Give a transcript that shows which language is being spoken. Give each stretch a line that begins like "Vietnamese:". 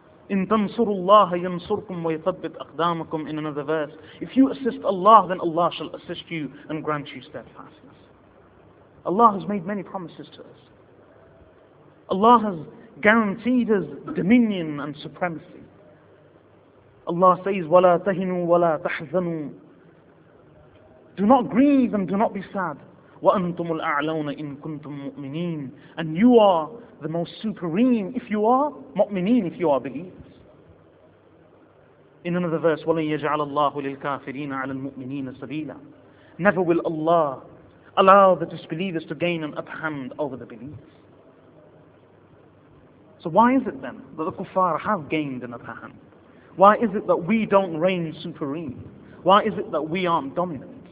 Arabic: إِن تَنْصُرُ اللَّهَ يَنْصُرْكُمْ وَيَثَبِّتْ أَقْدَامَكُمْ.
English: In another verse, if you assist Allah, then Allah shall assist you and grant you steadfastness. Allah has made many promises to us. Allah has guaranteed us dominion and supremacy. Allah says,
Arabic: وَلَا تَهِنُوا وَلَا تَحْزَنُوا.
English: Do not grieve and do not be sad.
Arabic: وَأَنْتُمُ الْأَعْلَوْنَ إِن كُنْتُم مُؤْمِنِينَ.
English: And you are the most supreme if you are mu'mineen, if you are believers. In another verse,
Arabic: وَلَنْ يَجْعَلَ اللَّهُ لِلْكَافِرِينَ عَلَى الْمُؤْمِنِينَ سَبِيلًا.
English: Never will Allah allow the disbelievers to gain an upper hand over the believers. So why is it then that the kuffar have gained an upper hand? Why is it that we don't reign supreme? Why is it that we aren't dominant?